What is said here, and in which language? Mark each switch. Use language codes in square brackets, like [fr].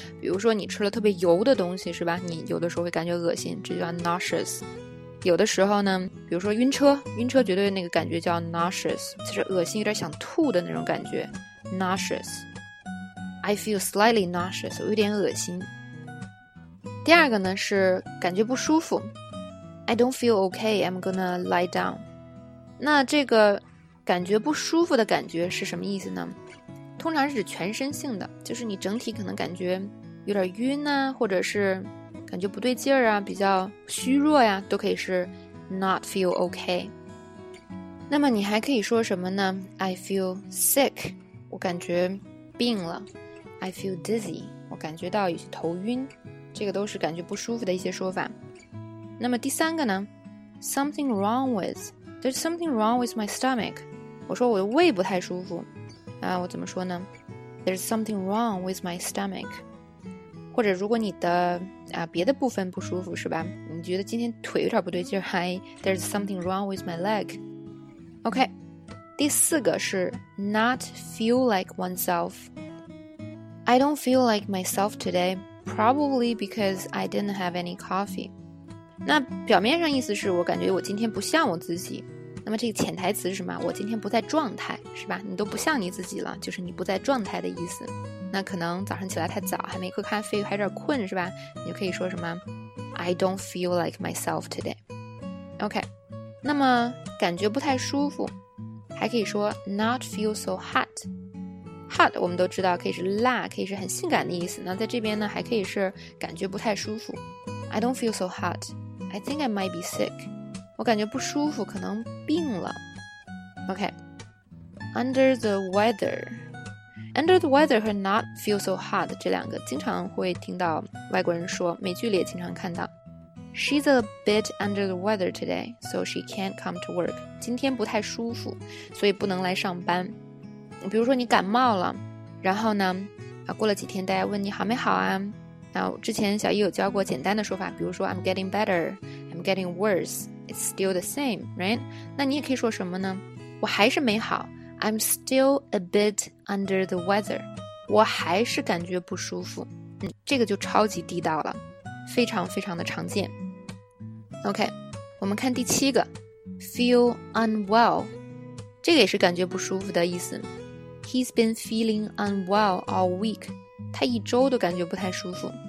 [zh] 比如说你吃了特别油的东西，是吧？你有的时候会感觉恶心，这叫 nauseous。有的时候呢，比如说晕车绝对那个感觉叫 nauseous， 就是恶心有点想吐的那种感觉， nauseous。 [en] I feel slightly nauseous，我有点恶心。 第二个呢，是感觉不舒服， I don't feel okay, I'm gonna lie down。 [zh] 那这个感觉不舒服的感觉是什么意思呢？通常是全身性的，就是你整体可能感觉有点晕啊，或者是感觉不对劲儿啊，比较虚弱呀，都可以是 not feel okay。那么你还可以说什么呢？ I feel sick, 我感觉病了。 I feel dizzy, 我感觉到有些头晕，这个都是感觉不舒服的一些说法。那么第三个呢， something wrong with， there's something wrong with my stomach，我说我的胃不太舒服啊，我怎么说呢？ [en] there's something wrong with my stomach。 [zh] 或者如果你的别的部分不舒服，是吧？你觉得今天腿有点不对劲，还 there's something wrong with my leg。 [en] OK，第四个是 not feel like oneself， I don't feel like myself today， probably because I didn't have any coffee。 [zh] 那表面上意思是我感觉我今天不像我自己，那么这个潜台词是什么？我今天不在状态，是吧？你都不像你自己了，就是你不在状态的意思。那可能早上起来太早，还没喝咖啡，还有点困，是吧？你就可以说什么 I don't feel like myself today。 OK， 那么感觉不太舒服还可以说 not feel so hot。 Hot 我们都知道可以是辣，可以是很性感的意思，那在这边呢还可以是感觉不太舒服。 [en] I don't feel so hot. I think I might be sick. [zh] 我感觉不舒服，可能病了。OK. Under the weather. Under the weather 和 not feel so hot 这两个经常会听到外国人说，美剧里也经常看到。 [en] She's a bit under the weather today, so she can't come to work. [zh] 今天不太舒服，所以不能来上班。比如说你感冒了，然后呢，过了几天大家问你好没好啊，然后之前小易有教过简单的说法，比如说 I'm getting better, I'm getting worse, it's still the same, right? 那你也可以说什么呢？ [en] 我还是没好， I'm still a bit under the weather, 我还是感觉不舒服。 [zh] 这个就超级地道了，非常非常的常见。 OK， 我们看第七个， feel unwell， 这个也是感觉不舒服的意思。 [en] He's been feeling unwell all week，他一周都感觉不太舒服。